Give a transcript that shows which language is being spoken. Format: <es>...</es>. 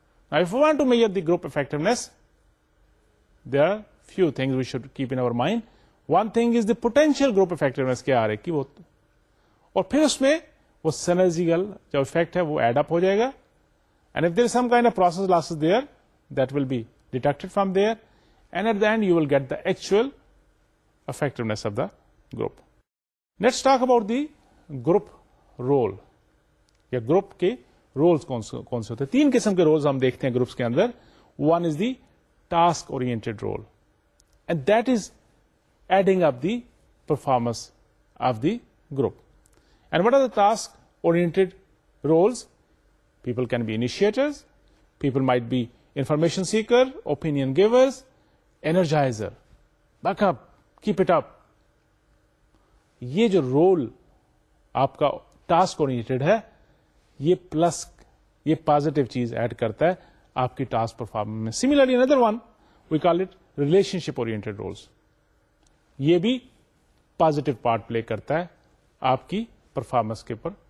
<en>Now, if we want to measure the group effectiveness, there are few things we should keep in our mind. One thing is the potential group effectiveness.</en> <ur>کیا آ رہے کی وہ اور پھر اس میں وہ synergical جو effect ہے وہ add up ہو جائے گا.</ur> <en>And if there is some kind of process losses there, that will be deducted from there. And at the end, you will get the actual effectiveness of the group. Let's talk about the group role.</en> <ur>یا group کے roles کون سے ہوتے ہیں. تین قسم کے roles ہم دیکھتے ہیں groups کے اندر.</ur> <en>One is the task-oriented role. And that is adding up the performance of the group. And what are the task-oriented roles? People can be initiators. People might be information seeker, opinion givers, energizer. Back up. Keep it up.</en> <ur>یہ جو role آپ کا task oriented ہے یہ plus یہ positive چیز add کرتا ہے آپ کی ٹاسک پرفارمنس میں.</ur> <en>similarly under one we call it relationship oriented roles,</en> <ur>یہ بھی پازیٹو پارٹ پلے کرتا ہے آپ کی پرفارمنس کے اوپر.</ur>